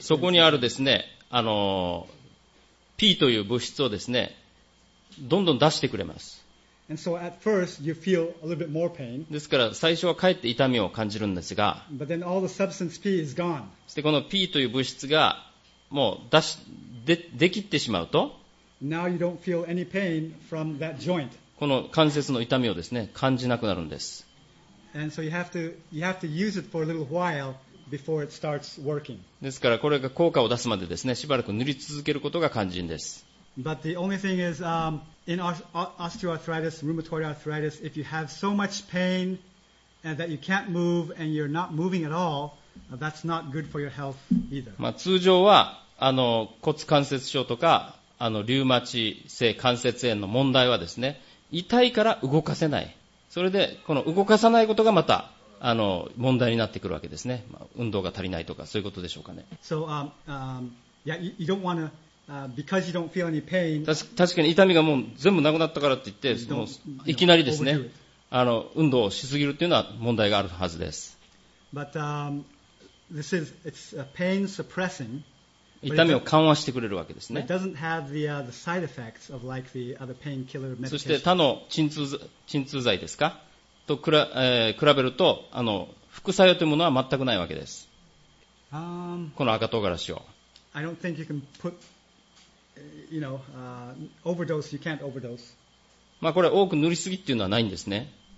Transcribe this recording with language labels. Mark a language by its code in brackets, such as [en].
[ja] そこにあるですね、あの P という物質をですね、どんどん出してくれます。 [en] And so at first you feel a little bit more pain. [ja] ですから最初はかえって痛みを感じるんですが、 [en] But then all the substance P is gone. [ja] そしてこの P という物質がもう出きってしまうと、 [en] Now you don't feel any pain from that joint. [ja] この関節の痛みをですね、感じなくなるんです。 [en] And so you have to use it for a little while before it starts working. [ja] ですからこれが効果を出すまでですね、しばらく塗り続けることが肝心です。 [en] But the only thing is, in osteoarthritis, rheumatoid arthritis, if you have so much pain and that you can't move and you're not moving at all, that's not good for your health either. [ja] まあ通常はあの骨関節症とかあのリウマチ性関節炎の問題はですね、痛いから動かせない。それでこの動かさないことがまたあの問題になってくるわけですね。まあ、運動が足りないとかそういうことでしょうかね。 [en] So, yeah, you don't wanna. Because you don't feel any pain, [ja] 確かに痛みがもう全部なくなったからといって、もういきなりですね、あの運動をしすぎるというのは問題があるはずです。 [en] But, this is, it's a pain suppressing, [ja] 痛みを緩和してくれるわけですね。 [en] It doesn't have the side effects of like the other painkiller medication. [ja] そして他の鎮痛剤ですかと比べるとあの副作用というものは全くないわけです。この赤唐辛子を。 [en] I don't think you can put... You know, overdose, you can't overdose. [ja] まあこれ多く塗りすぎっていうのはないんですね。